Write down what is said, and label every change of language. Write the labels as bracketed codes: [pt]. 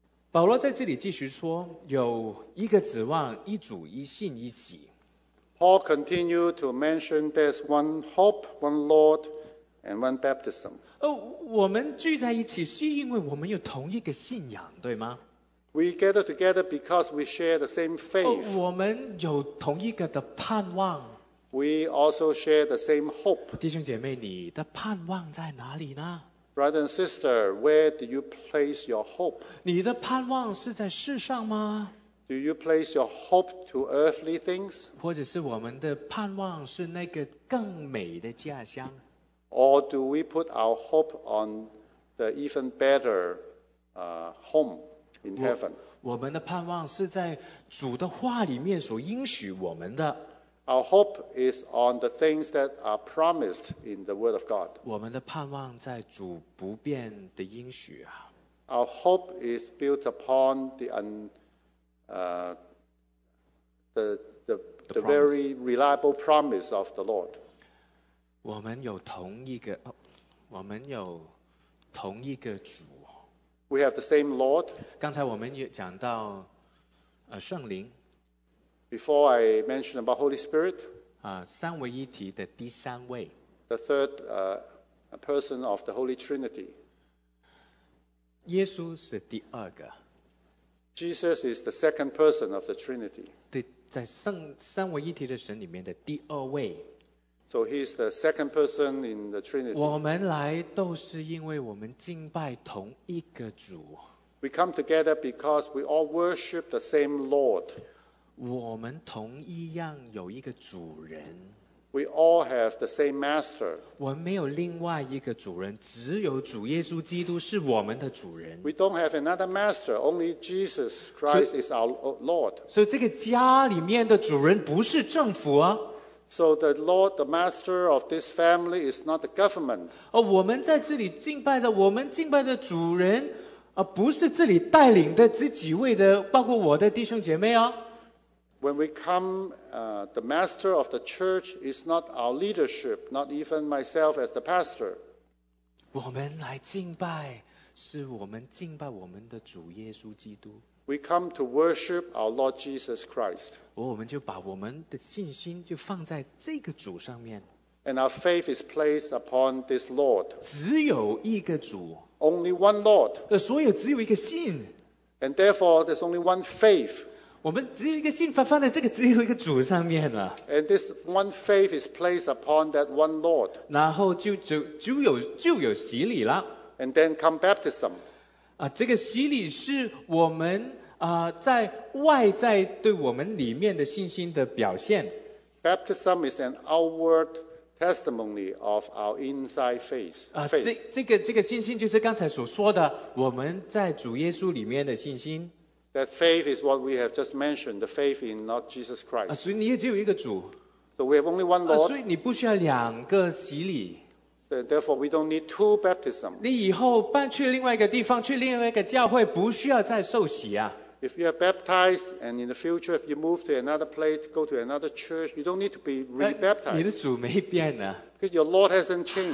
[zh] 保罗在这里继续说，有一个指望，一主，一信，一喜。 [en] Paul continued to mention there's one hope, one Lord, and one baptism. [zh] 我们聚在一起是因为我们有同一个信仰，对吗？ [en] We gather together because we share the same faith. [zh] 我们有同一个的盼望。 [en] We also share the same hope. [zh] 弟兄姐妹，你的盼望在哪里呢？ [en] Brother and sister, where do you place your hope? [zh] 你的盼望是在世上吗？ [en] Do you place your hope to earthly things? [zh] 或者是我们的盼望是那个更美的家乡？ [en] Or do we put our hope on the even better home in heaven? [zh] 我们的盼望是在主的话里面所应许我们的。 [en] Our hope is on the things that are promised in the Word of God. [zh] 我们的盼望在主不变的应许啊。 [en] Our hope is built upon the very reliable promise of the Lord. [zh] 我们有同一个，我们有同一个主。 [en] We have the same Lord. [zh] 刚才我们也讲到，圣灵。 [en] Before I mention about Holy Spirit, [zh] 三位一体的第三位 [en] ，the third person of the Holy Trinity. [zh] 耶稣是第二个 [en] ，Jesus is the second person of the Trinity. [zh] 在三位一体的神里面的第二位 [en] ，so he is the second person in the Trinity. [zh] 我们来都是因为我们敬拜同一个主 [en] ，we come together because we all worship the same Lord. [zh] 我们同一样有一个主人。 [en] We all have the same master. [zh] 我们没有另外一个主人，只有主耶稣基督是我们的主人。 [en] We don't have another master. Only Jesus Christ is our Lord. [zh] 所以这个家里面的主人不是政府啊。 [en] So the Lord, the master of this family, is not the government. [zh] 我们在这里敬拜的，我们敬拜的主人，不是这里带领的这几位的，包括我的弟兄姐妹啊。 [en] When we come, the master of the church is not our leadership, not even myself as the pastor. [zh] 我们来敬拜，是我们敬拜我们的主耶稣基督。 [en] We come to worship our Lord Jesus Christ. [zh] 我们就把我们的信心就放在这个主上面。 [en] And our faith is placed upon this Lord. [zh] 只有一个主。 [en] Only one Lord. [zh] 所以只有一个信。 [en] And therefore, there's only one faith. [zh] 我们只有一个信放在这个只有一个主上面了。 [en] And this one faith is placed upon that one Lord. [zh] 然后就有洗礼了。 [en] And then come baptism. [zh] 这个洗礼是我们在外在对我们里面的信心的表现。 [en] Baptism is an outward testimony of our inside faith. [zh] 这个信心就是刚才所说的我们在主耶稣里面的信心。 [en] That faith is what we have just mentioned, the faith in not Jesus Christ. [zh] 所以你也只有一个主。 [en] So we have only one Lord. [zh] 所以你不需要两个洗礼。 [en] So therefore, we don't need two baptisms. [zh] 你以后搬去另外一个地方，去另外一个教会，不需要再受洗啊。 [en] If you are baptized, and in the future, if you move to another place, go to another church, you don't need to be re-baptized. [zh] 你的主没变呢。 [en] Because your Lord hasn't changed.